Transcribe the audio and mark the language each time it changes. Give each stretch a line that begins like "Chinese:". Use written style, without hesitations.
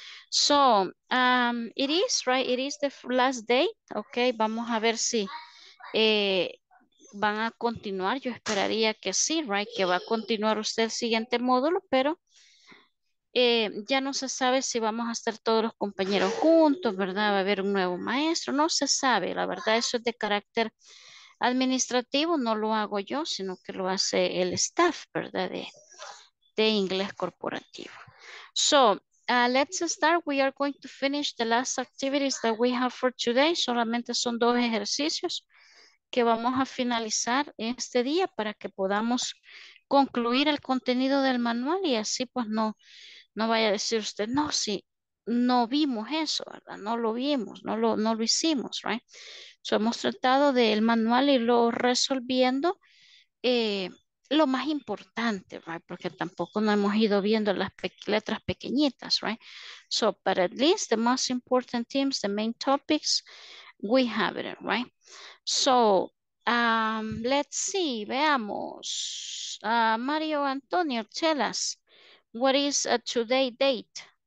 English: So, it is, right, it is the last day,
Spanish: okay, vamos a ver si van a continuar, yo esperaría que sí, right, que va a continuar usted el siguiente módulo, pero ya no se sabe si vamos a estar todos los compañeros juntos, ¿verdad? Va a haber un nuevo maestro, no se sabe, la verdad, eso es de carácter administrativo, no lo hago yo, sino que lo hace el staff, ¿verdad? De inglés corporativo.
English: So, let's start. We are going to finish the last activities that we have for today.
Spanish: Solamente son dos ejercicios que vamos a finalizar este día para que podamos concluir el contenido del manual y así pues no vaya a decir usted, no, sí, no vimos eso, ¿verdad? No lo vimos, no lo hicimos, right? So hemos tratado del manual y lo resolviendo lo más importante, right? Porque tampoco no hemos ido viendo las letras pequeñitas, right?
English: So, but at least the most important themes, the main topics, we have it, right? So, let's see, veamos. Mario Antonio, tell us, what is a today date?